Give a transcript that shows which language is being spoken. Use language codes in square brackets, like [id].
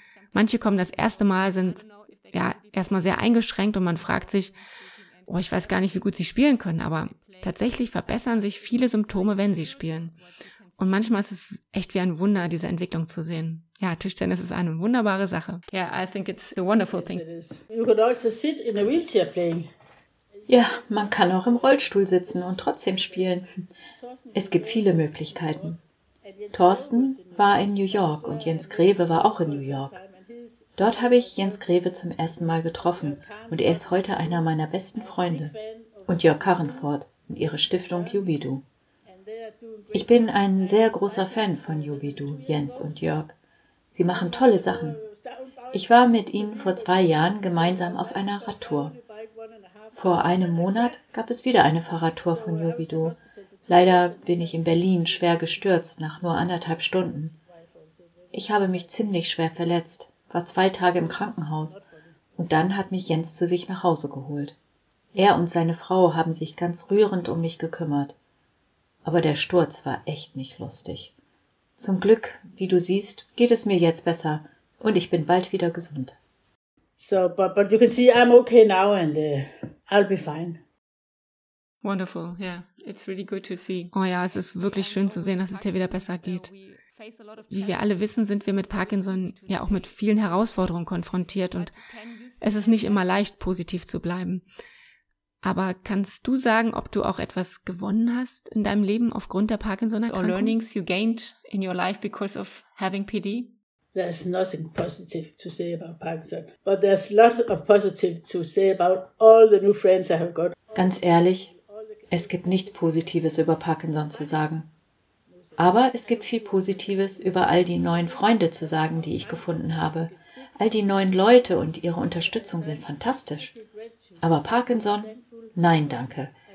[de] Manche kommen das erste Mal, sind ja erstmal sehr eingeschränkt und man fragt sich, oh, ich weiß gar nicht, wie gut sie spielen können, aber tatsächlich verbessern sich viele Symptome, wenn sie spielen. Und manchmal ist es echt wie ein Wunder, diese Entwicklung zu sehen. Ja, Tischtennis ist eine wunderbare Sache. [en] Yeah, I think it's a wonderful thing. You could also sit in a wheelchair playing. [de] Ja, man kann auch im Rollstuhl sitzen und trotzdem spielen. Es gibt viele Möglichkeiten. Thorsten war in New York und Jens Greve war auch in New York. Dort habe ich Jens Greve zum ersten Mal getroffen und er ist heute einer meiner besten Freunde. Und Jörg Karrenfort und ihre Stiftung Jubidu. Ich bin ein sehr großer Fan von Jubidu, Jens und Jörg. Sie machen tolle Sachen. Ich war mit ihnen vor 2 Jahren gemeinsam auf einer Radtour. Vor einem Monat gab es wieder eine Fahrradtour von Jubidu. Leider bin ich in Berlin schwer gestürzt nach nur 1,5 Stunden. Ich habe mich ziemlich schwer verletzt, war 2 Tage im Krankenhaus und dann hat mich Jens zu sich nach Hause geholt. Er und seine Frau haben sich ganz rührend um mich gekümmert. Aber der Sturz war echt nicht lustig. Zum Glück, wie du siehst, geht es mir jetzt besser und ich bin bald wieder gesund. [en] So, but you can see I'm okay now and I'll be fine. Wonderful, yeah. It's really good to see. [de] Oh ja, es ist wirklich schön zu sehen, dass es dir wieder besser geht. Wie wir alle wissen, sind wir mit Parkinson ja auch mit vielen Herausforderungen konfrontiert und es ist nicht immer leicht, positiv zu bleiben. Aber kannst du sagen, ob du auch etwas gewonnen hast in deinem Leben aufgrund der Parkinson-Erkrankung? [en] Or learnings you gained in your life because of having PD? There's nothing positive to say about Parkinson. But there's lots of positive to say about all the new friends I have got. [de] Ganz ehrlich, es gibt nichts Positives über Parkinson zu sagen. Aber es gibt viel Positives über all die neuen Freunde zu sagen, die ich gefunden habe. All die neuen Leute und ihre Unterstützung sind fantastisch. Aber Parkinson? Nein, danke.